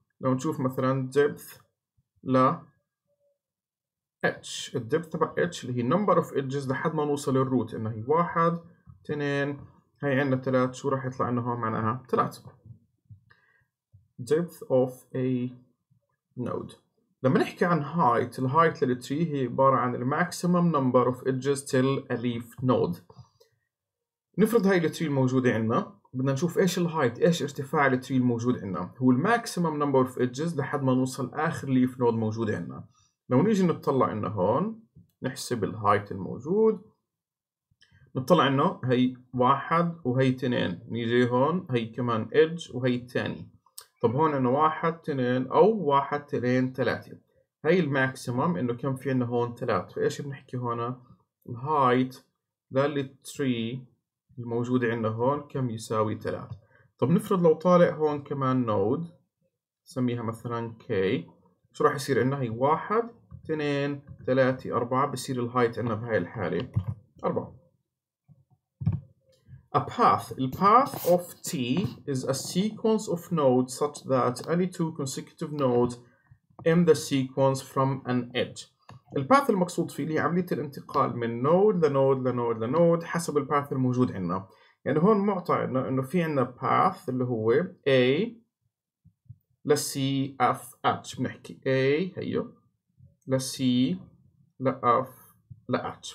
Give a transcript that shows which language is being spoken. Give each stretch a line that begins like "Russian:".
Arabic: لو نشوف مثلا depth ل h, ال depth تبع h اللي هي
English: number of edges
Arabic: لحد ما نوصل الروت, ان هي واحد اثنين, هي عندنا ثلاث, شو راح يطلع لنا هون معناها؟ ثلاث.
English: depth of a node,
Arabic: لما نحكي عن
English: height, ال height لل tree
Arabic: هي عبارة عن
English: ال maximum number of edges till a leaf node.
Arabic: نفرض هاي ال tree الموجودة عندنا, بدنا نشوف ايش ال height, ايش ارتفاع ال tree الموجود عندنا, هو ال
English: maximum number of edges
Arabic: لحد ما نوصل آخر leaf node موجود عندنا. لو نيجي نطلع انه هون نحسب ال height الموجود, نطلع انه هي واحد وهي اثنين, نيجي هون هي كمان edge وهي الثاني. طب هون انه واحد اثنين او واحد اثنين ثلاثة, هاي الماكسيمم انه كم في عندنا هون ثلاث, فايش بنحكي هون؟ الهايت للتري الموجودة عندنا هون كم يساوي ثلاث. طب نفرض لو طالع هون كمان نود سميها مثلا K, شو راح يصير عندنا؟ هي واحد اثنين ثلاثة اربعة, بصير الهايت عندنا بهاي الحالة اربعة.
English: A path. The path of T is a sequence of nodes such that any two consecutive nodes in the sequence from an edge.
Arabic: The path المقصود فيه اللي هي عملية الانتقال من node لنود لنود لنود حسب ال path الموجود عندنا. يعني هون معطى عندنا إنه في عندنا path اللي هو A ل C F H. بنحكي A هيو ل C ل F ل H.